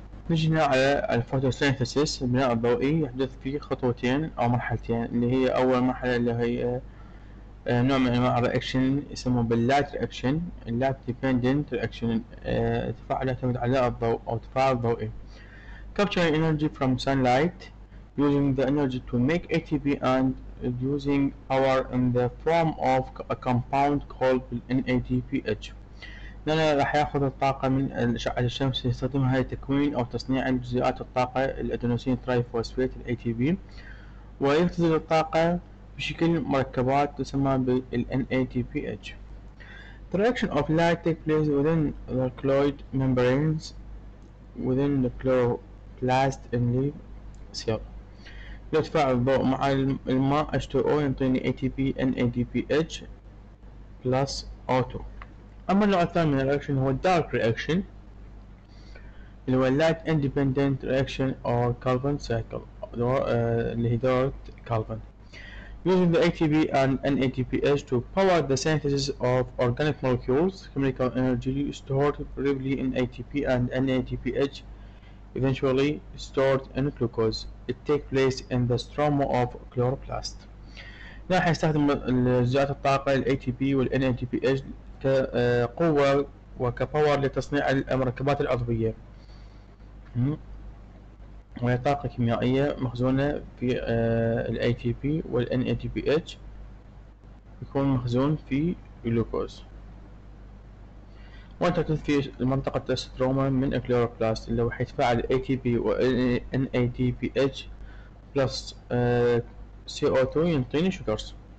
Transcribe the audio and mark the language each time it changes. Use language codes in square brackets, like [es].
[ar] نجي هنا على الفوتوسينثيسيس، البناء الضوئي يحدث في خطوتين أو مرحلتين، اللي هي أول مرحلة اللي هي نوع من أنواع الرياكشن يسموه باللايت رياكشن، اللايت ديبندنت رياكشن، تفاعل يعتمد على الضوء أو تفاعل ضوئي. [en] capturing energy from sunlight using the energy to make ATP and using power in the form of a compound called NADPH. [ar] لأن راح ياخذ الطاقة من أشعة الشمس يستخدمها لتكوين أو تصنيع جزيئات الطاقة الأدينوسين تراي فوسفيت الـ ATP، ويختزل الطاقة بشكل مركبات تسمى بالـ NADPH. [en] The reaction of light takes place within the colloid membranes within the chloroplast in the cell. [ar] لو تفاعل الضوء مع الماء H2O ينطيني ATP NADPH plus O2. أما النوع الثاني من الرياكشن هو الدارك رياكشن، اللي هو اللايت اندبندنت رياكشن أو كالفن سايكل، اللي هي دارك كالفن. [en] Using the ATP and NADPH to power the synthesis of organic molecules, chemical energy stored briefly in ATP and NADPH eventually stored in glucose. It takes place in the stroma of chloroplast. [ar] راح يستخدم جزيئات الطاقة الـ ATP والـ NADPH كقوة وكباور لتصنيع المركبات العضوية، وهي طاقة كيميائية مخزونة في الـ ATP والـ NADPH يكون مخزون في جلوكوز، وتحدث في منطقة الستروما من الكلوروبلاست اللي هو حيتفاعل الـ ATP والـ NADPH بلس CO2 ينطيني شوكرز.